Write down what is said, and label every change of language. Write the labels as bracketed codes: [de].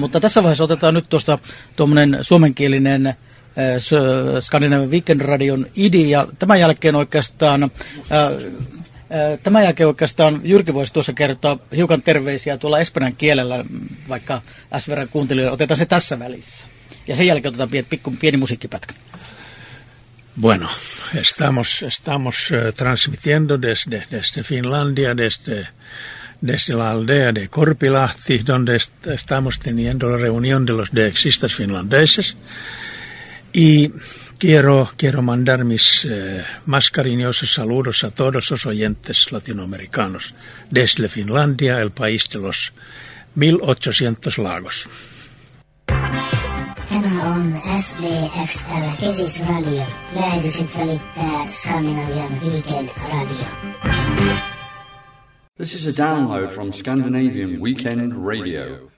[fi] Mutta tässä vaiheessa otetaan nyt tuosta tuommoinen suomenkielinen Scandinavian Weekend Radion idi, ja tämän jälkeen oikeastaan Jyrki voisi tuossa kertoa hiukan terveisiä tuolla espanjan kielellä, vaikka S-verran kuuntelijoille. Otetaan se tässä välissä. Ja sen jälkeen otetaan pieni musiikkipätkä. [es] Bueno, estamos transmitiendo desde Finlandia, desde la aldea de Korpilahti, donde estamos teniendo la reunión de los deexistas finlandeses. Y quiero mandar mis más cariñosos saludos a todos los oyentes latinoamericanos desde Finlandia, el país de los 1800 lagos. [fi] Tämä on SDXL Kesis-radio. Lähetykset välittää Skandinavian Weekend Radio. [en] This is a download from Scandinavian Weekend Radio.